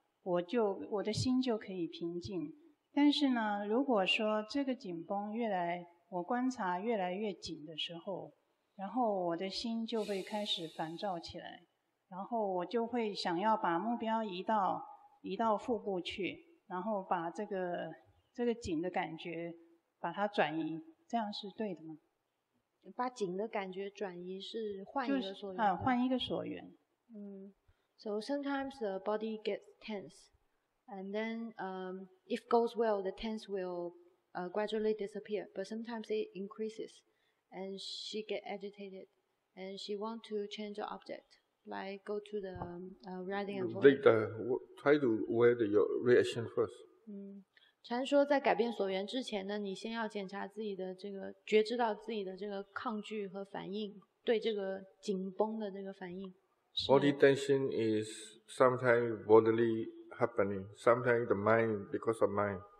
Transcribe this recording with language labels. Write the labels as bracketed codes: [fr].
[zh] 我的心就可以平静。但是呢，如果说这个紧绷越来，我观察越来越紧的时候，然后我的心就会开始烦躁起来，然后我就会想要把目标移到腹部去，然后把这个紧的感觉把它转移，这样是对的吗？把紧的感觉转移是换一个所缘，换一个所缘。 [en] So sometimes the body gets tense, and then if goes well, the tense will gradually disappear. But sometimes it increases, and she get agitated, and she want to change the object, like go to the riding and voice. Try to wear your reaction first. [zh] 禅说在改变所缘之前呢，你先要检查自己的这个觉知到自己的这个抗拒和反应，对这个紧绷的这个反应。 [en] Body tension is sometimes bodily happening, sometimes the mind because of mind.